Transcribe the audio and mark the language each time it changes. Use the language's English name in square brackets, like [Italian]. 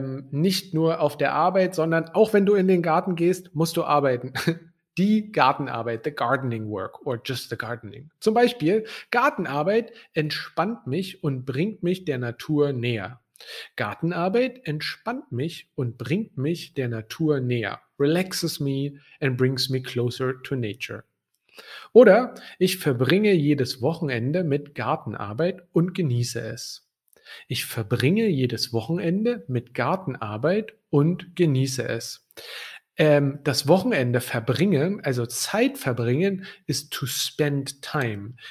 [German] Nicht nur auf der Arbeit, sondern auch wenn du in den Garten gehst, musst du arbeiten. Die Gartenarbeit, [English] the gardening work or just the gardening. [German] Zum Beispiel, Gartenarbeit entspannt mich und bringt mich der Natur näher. Gartenarbeit entspannt mich und bringt mich der Natur näher. [English] Relaxes me and brings me closer to nature. [German] Oder ich verbringe jedes Wochenende mit Gartenarbeit und genieße es. Ich verbringe jedes Wochenende mit Gartenarbeit und genieße es. Das Wochenende verbringen, also Zeit verbringen, ist [English] to spend time.